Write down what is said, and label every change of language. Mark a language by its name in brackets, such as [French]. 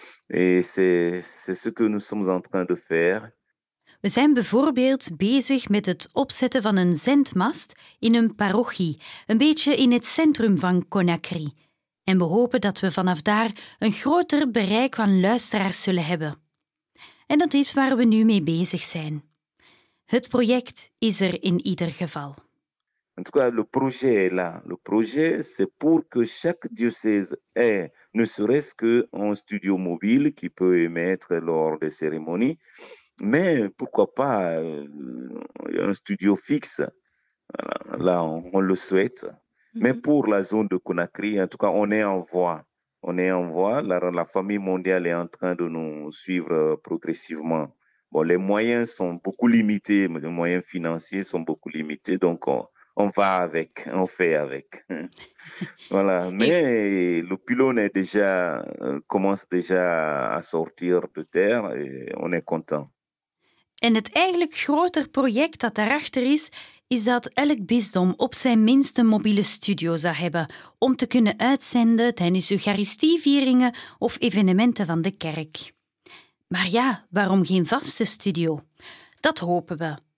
[French] Et c'est ce que nous sommes en train de faire. [Dutch] We zijn bijvoorbeeld bezig met het opzetten van een zendmast in een parochie, een beetje in het centrum van Conakry. En we hopen dat we vanaf daar een groter bereik van luisteraars zullen hebben. En dat is waar we nu mee bezig zijn. Het project is er in ieder geval. [French] En tout cas, le projet est là. Le projet, c'est pour que chaque diocèse ait, ne serait-ce qu'un studio mobile qui peut émettre lors des cérémonies, mais pourquoi pas un studio fixe. Voilà, là, on le souhaite. Mais pour la zone de Conakry, en tout cas, on est en voie. On est en voie. La famille mondiale est en train de nous suivre progressivement. Bon, les moyens sont beaucoup limités, les moyens financiers sont beaucoup limités, donc on va avec, on fait avec. Voilà, mais le pylône est déjà commence déjà à sortir de terre et on est content. [Dutch] En het eigenlijk groter project dat daarachter is, is dat elk bisdom op zijn minst een mobiele studio zou hebben om te kunnen uitzenden tijdens eucharistievieringen of evenementen van de kerk. Maar ja, waarom geen vaste studio? Dat hopen we.